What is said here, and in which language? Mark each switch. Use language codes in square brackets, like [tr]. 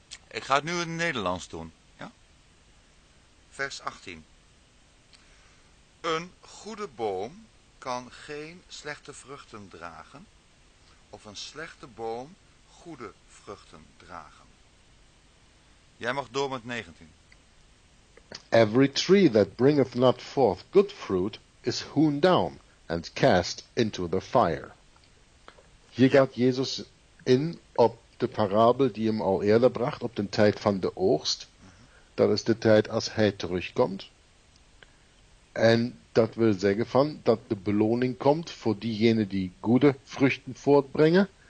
[nl] Ik ga het nu in het Nederlands doen. Ja? Vers 18. Een goede boom kan geen slechte vruchten dragen, of een slechte boom goede vruchten dragen. Jij mag door met 19. [en] Every tree that bringeth not forth good fruit is hewn down and cast into the fire. [nl] Hier gaat Jezus in op de parabel die hem al eerder bracht, op de tijd van de oogst. Dat is de tijd als hij terugkomt. En dat wil zeggen van dat de beloning komt voor diegenen die goede vruchten voortbrengen.